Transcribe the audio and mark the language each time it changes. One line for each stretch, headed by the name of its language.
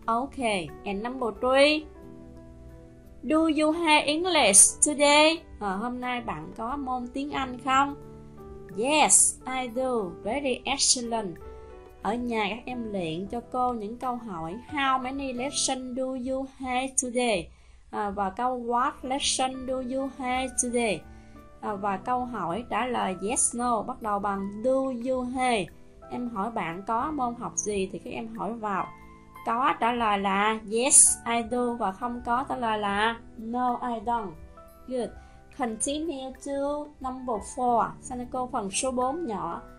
English: Okay, and number 3. Do you have English today?
Vietnamese: Hôm nay bạn có môn tiếng Anh không?
English: Yes, I do. Very excellent.
Vietnamese: Ở nhà các em luyện cho cô những câu hỏi
English: How many lessons do you have today?
Vietnamese: Và câu
English: What lesson do you have today?
Vietnamese: Và câu hỏi trả lời yes, no bắt đầu bằng
English: Do you have?
Vietnamese: Em hỏi bạn có môn học gì thì các em hỏi vào. Có trả lời là
English: yes, I do.
Vietnamese: Và không có trả lời là
English: no, I don't. Good. Continue to number 4.
Vietnamese: Sau này cô phần số 4 nhỏ.